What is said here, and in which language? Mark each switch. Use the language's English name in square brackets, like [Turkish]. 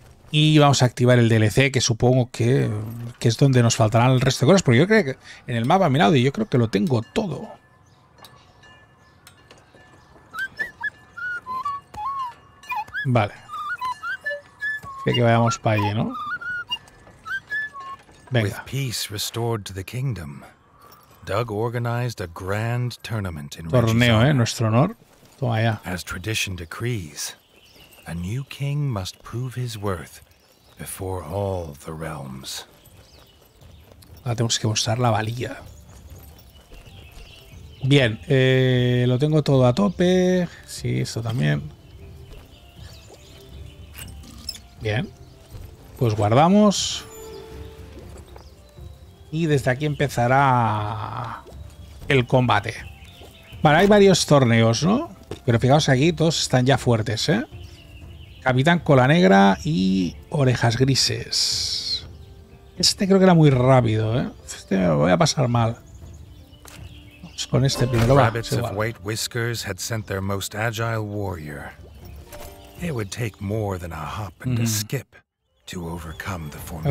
[Spanish] Y vamos a activar el DLC, que supongo que es donde nos faltarán el resto de cosas. Porque yo creo que en el mapa he mirado y yo creo que lo tengo todo. Vale. Que vayamos para allí, ¿no? Venga. [English] With peace restored to the kingdom, Doug organized a grand tournament in [Spanish] Torneo, nuestro honor. Toma ya. [English] As tradition decrees, a new king must prove his worth before all the realms. [Spanish] Ahora tenemos que mostrar la valía. Bien, lo tengo todo a tope. Sí, esto también. Bien, pues guardamos. Y desde aquí empezará el combate. Vale, hay varios torneos, ¿no? Pero fijaos que aquí todos están ya fuertes, ¿eh? Capitán Cola Negra y Orejas Grises. Este creo que era muy rápido, ¿eh? Este me voy a pasar mal. Vamos con este primero. [English] Rabbits of White Whiskers had sent their most agile warrior. It would take more than a hop and a skip to overcome the formidable.